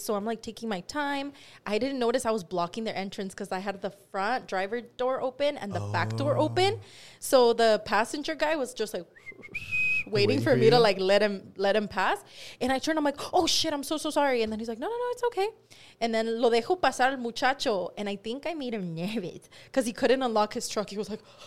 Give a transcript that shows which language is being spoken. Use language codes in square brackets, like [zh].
[en] So I'm like taking my time. I didn't notice I was blocking their entrance because I had the front driver door open and the back door open. So the passenger guy was just like waiting for me to like let him pass. And I turned, I'm like, oh, shit, I'm so, so sorry. And then he's like, no, it's okay. And then [es] lo dejo pasar al muchacho. [en] And I think I made him nervous because he couldn't unlock his truck. He was like,